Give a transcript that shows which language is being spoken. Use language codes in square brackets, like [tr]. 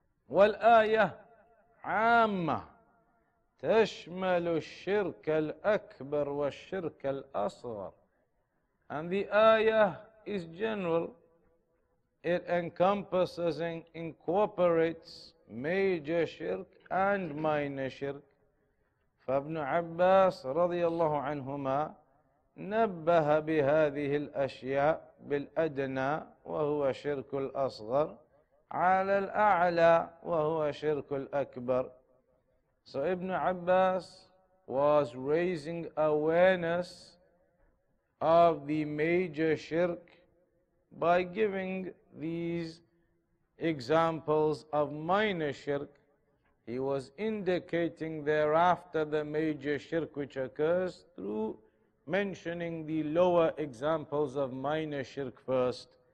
[ar] وَالْآيَةِ عَامَّةِ تَشْمَلُ الشِّرْكَ الْأَكْبَرُ وَالشِّرْكَ الْأَصْغَرُ. [en] And the ayah is general. It encompasses and incorporates major shirk and minor shirk. [ar] فَابْنُ عَبَّاسٍ رَضِيَ اللَّهُ عَنْهُمَا نبه بهذه الأشياء بالأدنى وهو شرك الأصغر على الأعلى وهو شرك الأكبر. [en] So Ibn Abbas was raising awareness of the major shirk by giving these examples of minor shirk. He was indicating thereafter the major shirk which occurs through mentioning the lower examples of minor shirk first.